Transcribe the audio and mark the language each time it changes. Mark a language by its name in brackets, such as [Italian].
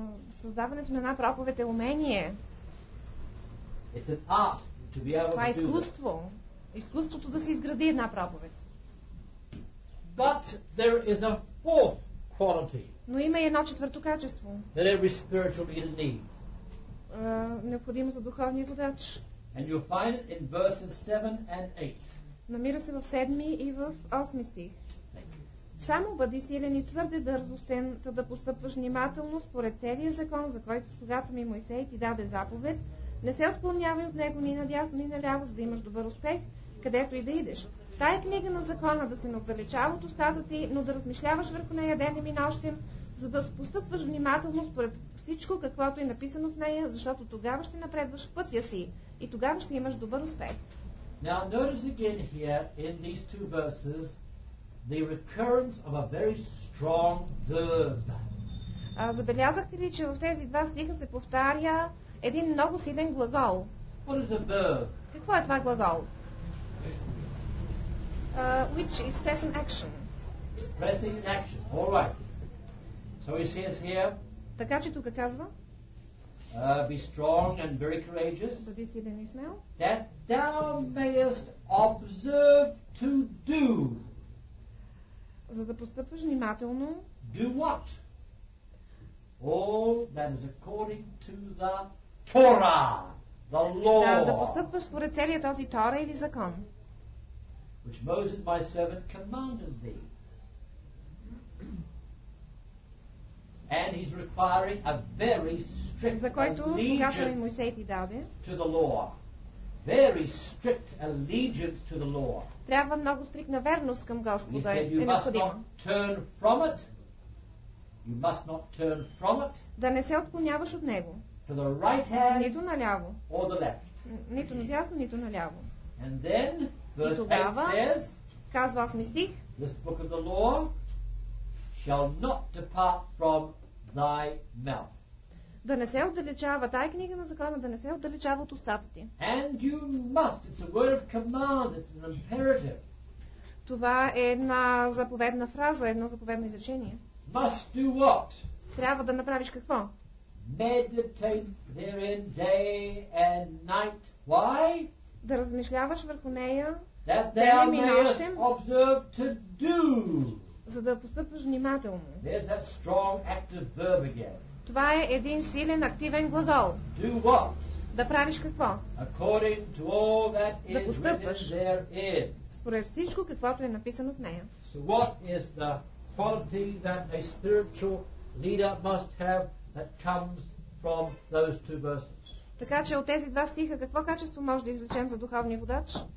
[Bulgarian] Създаването на една проповед е умение. [English] It's an art to be able [Bulgarian] това е изкуство. [English] To do [Bulgarian] изкуството да се изгради една проповед. [English] But there is a fourth quality. [Bulgarian] Но има и едно четвърто качество. [English] That every spiritual leader needs. [Bulgarian] Необходимо за духовния водач. [English] And you'll find it in verses 7 and 8. [Bulgarian] Намира се в 7 и в 8 стих. Само бъди силен и твърде дързостен, та да постъпваш внимателно според целия закон, за който слугата ми Мойсей ти даде заповед. Не се отклонявай от него ни надясно, ни наляво, за да имаш добър успех, където и да идеш. Тая книга на закона да се не отдалечава от устата ти, но да размишляваш върху нея денем и нощем, за да постъпваш внимателно според всичко, каквото е написано в нея, защото тогава ще напредваш в пътя си и тогава ще имаш добър успех. [English] Now, notice again here in these two verses, the recurrence of a very strong verb. [Bulgarian] Забелязахте ли, че в тези два стиха се повтаря един много силен глагол? [English] What is a verb? [Bulgarian] Какво е това глагол? [English] Which express an action. Expressing an action. All right. So he says here. [Bulgarian] Така че тук казва. [English] Be strong and very courageous. [Bulgarian] Бъди силен и смел. [English] That thou mayest observe to do. [Bulgarian] За да постъпваш внимателно. [English] Do what? All that is according to the Torah, the law. [Bulgarian] Да постъпваш според целия този Тора или закон. [English] Which Moses, my servant, commanded thee. And he's requiring a very strict allegiance to the law. Very strict allegiance to the law. [Bulgarian] Трябва много стриктна верност към Господа. [English] He said, you must not turn from it. You must not turn from it. [Bulgarian] Да не се отклоняваш от него. [English] To the right hand. [Bulgarian] Нито наляво. [English] Or the left. [Bulgarian] Нито надясно, нито наляво. [English] And then verse 8 says. [Bulgarian] Казва 8 стих. [English] This book of the law shall not depart from thy mouth. [Bulgarian] Да не се отдалечава тая книга на закона, да не се отдалечава от устата ти. [English] And you must. It's a word of command. It's an imperative. [Bulgarian] Това е една заповедна фраза, едно заповедно изречение. [English] Must do what? [Bulgarian] Трябва да направиш какво? [English] Meditate therein day and night. Why? [Bulgarian] Да размишляваш върху нея. [English] That thou mayest observe to do. [Bulgarian] За да постъпваш внимателно. [English] There's that strong active verb again. [Bulgarian] Това е един силен активен глагол. [English] Do what? [Bulgarian] Да правиш какво? [English] According to all that is [Bulgarian] да постъпваш [English] therein. [Bulgarian] Според всичко, каквото е написано в нея. [English] So what is the quality that a spiritual leader must have that comes from those two verses. [Bulgarian] Така че от тези два стиха какво качество може да извлечем за духовния водач?